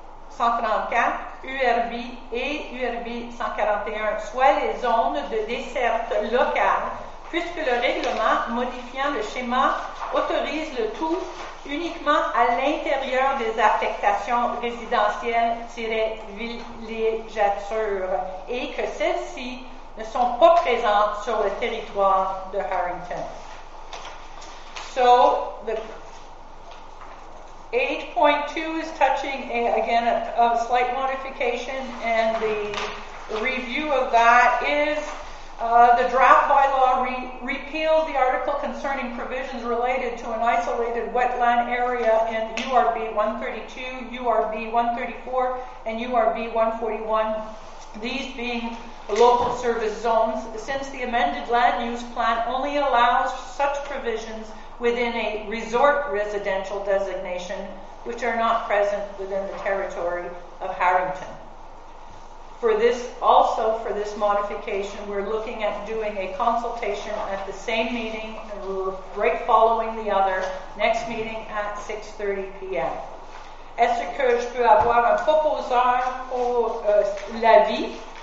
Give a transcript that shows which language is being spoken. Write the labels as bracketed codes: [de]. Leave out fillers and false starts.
[fr] 134, URB et URB 141, soit les zones de desserte locale, puisque le règlement modifiant le schéma autorise le tout uniquement à l'intérieur des affectations résidentielles-villégiatures et que celles-ci ne sont pas présentes sur le territoire de Harrington. [en] So, the 8.2 is touching, again, a slight modification, and the review of that is the draft bylaw repealed the article concerning provisions related to an isolated wetland area in URB 132, URB 134, and URB 141, these being local service zones, since the amended land use plan only allows such provisions within a resort residential designation, which are not present within the territory of Harrington. For this, also for this modification, we're looking at doing a consultation at the same meeting, right following the other, next meeting at 6:30 p.m. [fr] Est-ce que je peux avoir un proposeur pour l'avis?